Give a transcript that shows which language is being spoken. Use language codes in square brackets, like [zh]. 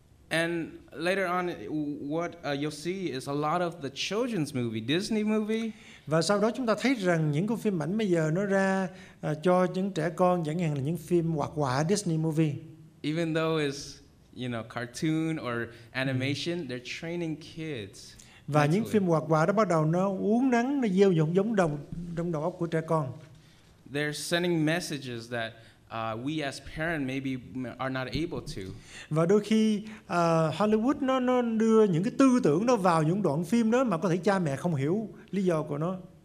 [en] And later on, what you'll see is a lot of the children's movie, Disney movie. [vi] Và sau đó chúng ta thấy rằng những cái phim ảnh bây giờ nó ra cho những trẻ con, chẳng hạn là những phim hoạt họa Disney movie. [en] Even though it's cartoon or animation, they're training kids. [vi] Và những phim hoạt họa đó bắt đầu nó uốn nắn, nó gieo những giống đồng trong đầu óc của trẻ con. [en] They're sending messages that we as parents maybe are not able to. [vi] Và đôi khi Hollywood nó đưa những cái tư tưởng nó vào những đoạn phim đó mà có thể cha mẹ không hiểu lý do của nó.